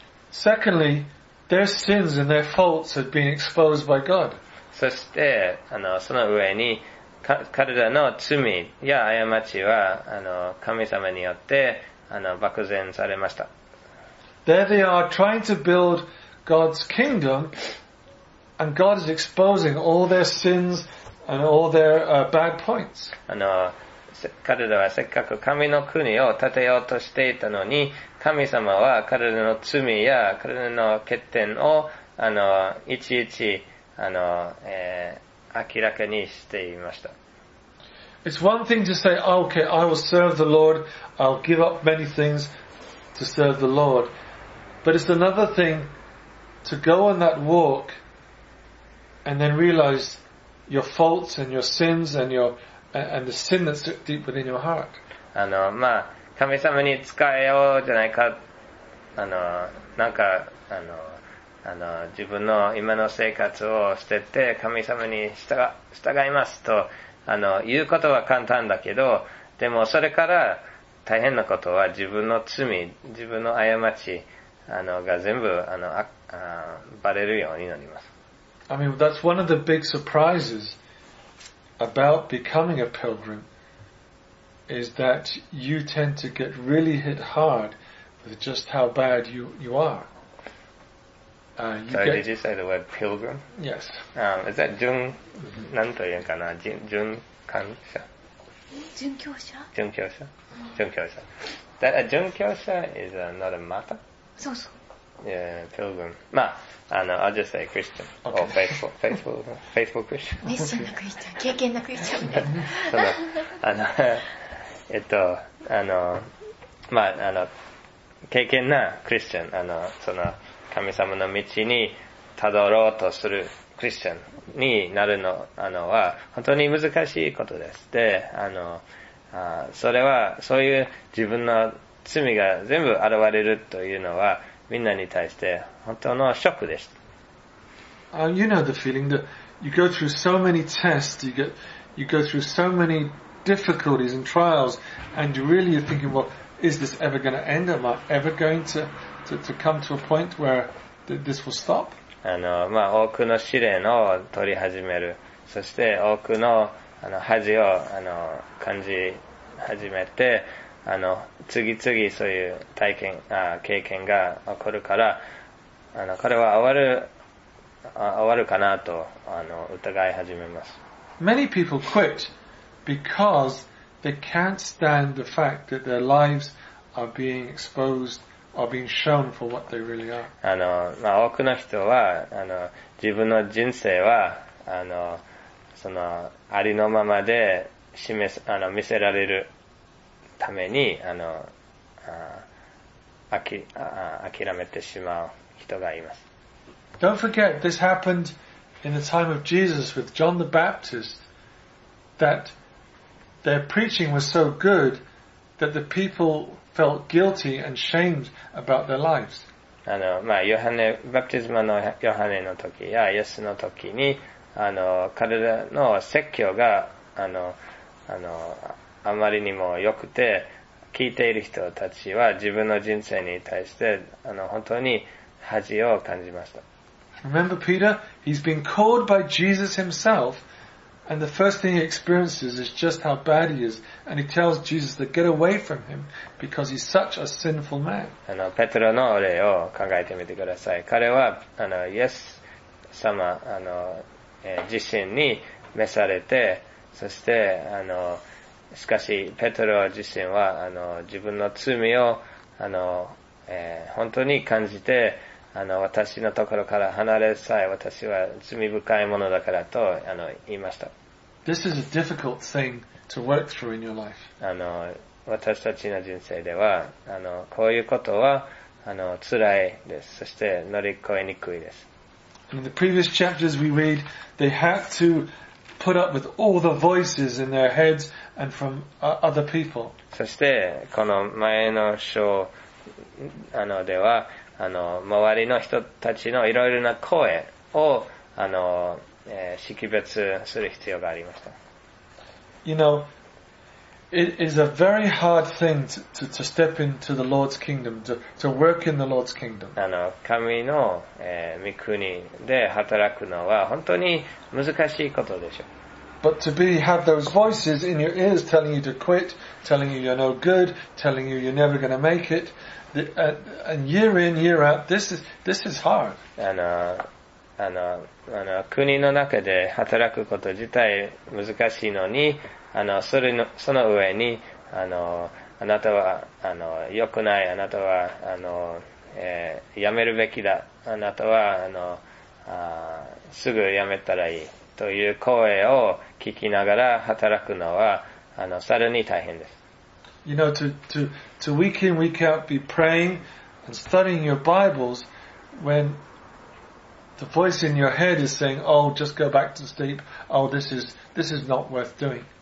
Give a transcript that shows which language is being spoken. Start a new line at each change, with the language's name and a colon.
English: Secondly, their sins and their faults had been exposed by God.
Japanese: そして、あの、その上に、彼らの罪や過ちは、あの、神様によって、あの、漠然されました。
English: There they are trying to build God's kingdom, and God is exposing all their sins and all their bad points.
Japanese: あの、彼らはせっかく神の国を建てようとしていたのに、神様は彼らの罪や彼らの欠点を、あの、いちいち、あの、明らかにしていました。
English: It's one thing to say, okay, I will serve the Lord, I'll give up many things to serve the Lord. But it's another thing to go on that walk and then realize your faults and your sins and your, and the sin that's deep within your heart.
Japanese: あの、まあ、神様に仕えようじゃないか、あの、なんか、あの、あの、自分の今の生活を捨てて神様に従いますと、あの、言うことは簡単だけど、でもそれから大変なことは自分の罪、自分の過ち、あの、が全部、あの、バレるようになります。
English: I mean, that's one of the big surprises about becoming a pilgrim is that you tend to get really hit hard with just how bad you are. Did you say the word pilgrim? Yes. Is that
Japanese: 準、mm-hmm. 何と言うかな準観者準教者準教者、mm-hmm. 準教者 準教者
English: is not a matter?
Japanese: そうそう
English: Yeah, pilgrim. まあ、あの、I'll just say Christian. Okay. Or faithful Christian.
Japanese: 熱心なクリスチャン、経験なクリスチャン。その、あの、あの、まあ、あの、経験なクリスチャン、あの、その、神様の道にたどろうとするクリスチャンになるの、あの、は、本当に難しいことです。で、あの、あ、それは、そういう自分の罪が全部現れるというのは、みんなに対して本当のショックでした。
English: You know the feeling that you go through so many tests, you go through so many difficulties and trials, and you really are thinking, well, is this ever going to end? Am I ever going to come to a point where this will stop?
Japanese: あの、まあ、多くの試練を取り始める。そして多くの、あの、恥を、あの、感じ始めて、あの、次々そういう体験、あ、経験が起こるから、あの、これは終わるかなと、あの、疑い始めます。
English: Many people quit because they can't stand the fact that their lives are being exposed or being shown for what they really are.
Japanese: あの、まあ、多くの人は、あの、自分の人生は、あの、その、ありのままで示す、あの、見せられる。ために、あの、諦めてしまう人がいます。
English: Don't forget, this happened in the time of Jesus with John the Baptist, that their preaching was so good that the people felt guilty and shamed about their lives.
Japanese: あの、まあ、ヨハネ、バプティズマのヨハネの時やイエスの時に、あの、彼らの説教が、あの、あの、あまりにも良くて聞いている人たちは自分の人生に対してあの本当に恥を感じました。
English: Remember Peter? He's been called by Jesus himself and the first thing he experiences is just how bad he is and he tells Jesus to get away from him because he's such a sinful man.
Japanese: あの、ペテロの例を考えてみてください。彼はあの、イエス様、あの、自身に召されてそしてあの、しかし、ペトロ自身は、あの、自分の罪を、あの、本当に感じて、あの、私のところから離れさえ、私は罪深いものだからと、あの、言いました。
English: This is a difficult thing to work through in your life.
Japanese: あの、私たちの人生では、あの、こういうことは、あの、辛いです。そして、乗り越えにくいです。
English: In the previous chapters we read, they have to put up with all the voices in their heads and from other people.
Japanese: そして、この前の章、あの、では、あの、周りの人たちのいろいろな声を、あの、識別する必要がありました。
English: You know, it is a very hard thing to step into the Lord's kingdom, to work in the Lord's kingdom.
Japanese: あの、神の、御国で働くのは本当に難しいことでしょう。
English: But to be, have those voices in your ears telling you to quit, telling you you're no good, telling you you're never going to make it, and year in, year out, this is hard.
Japanese: あの、国の中で働くこと自体難しいのに、あの、その上に、あの、あなたは、あの、良くない、あなたは、あの、辞めるべきだ、あなたは、あの、すぐ辞めたらいい。という声を聞きながら働くのは、あの、さらに大変です。
English: You know, to week in, week out be praying and studying your Bibles when the voice in your head is saying, oh, just go back to sleep, oh, this is not worth doing.